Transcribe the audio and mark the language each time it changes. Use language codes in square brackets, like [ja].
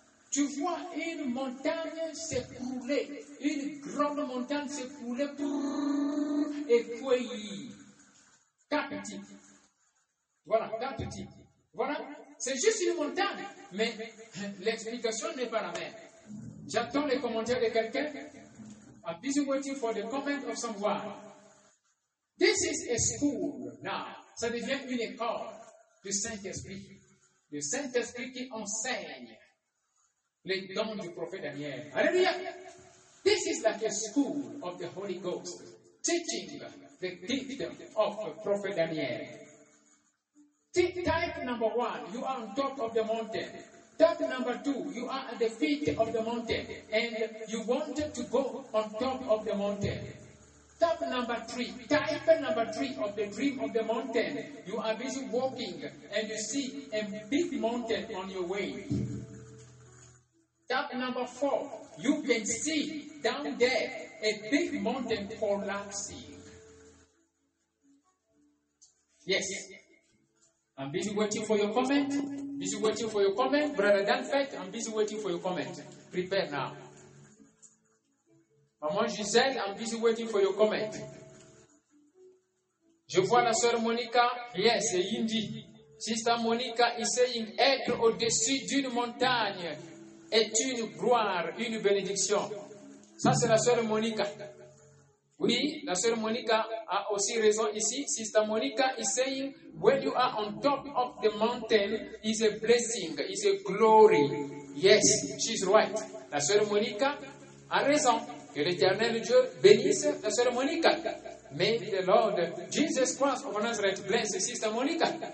[fr] Tu vois une montagne s'écrouler. Une grande montagne s'écrouler et cueillir. Quatre types. Voilà, quatre types. Voilà, c'est juste une montagne, mais l'explication n'est pas la même. J'attends les commentaires de quelqu'un. [en] I'm busy waiting for the comment of someone. This is a school now. [fr] Ça devient une école du Saint-Esprit. Le Saint-Esprit qui enseigne les dons du prophète Daniel. Alléluia! [en] This is like a school of the Holy Ghost teaching the kingdom of the prophet Daniel. Type number one, you are on top of the mountain. Type number two, you are at the feet of the mountain and you wanted to go on top of the mountain. Type number three, type number three of the dream of the mountain. You are busy walking and you see a big mountain on your way. Type number four, you can see down there a big mountain collapsing. Yes. I'm busy waiting for your comment. Busy waiting for your comment. Brother Danfait, I'm busy waiting for your comment. Prepare now. Maman Giselle, I'm busy waiting for your comment. [fr] Je vois la sœur Monica. Yes, Indy. [en] Sister Monica is saying, [fr] être au-dessus d'une montagne est une gloire, une bénédiction. Ça, c'est la sœur Monica. Oui, la sœur Monica a aussi raison ici. [en] Sister Monica is saying, when you are on top of the mountain, is a blessing, is a glory. Yes, she's right. [fr] La sœur Monica a raison. Que l'éternel Dieu bénisse la sœur Monica. [en] May the Lord Jesus Christ of Nazareth bless Sister Monica.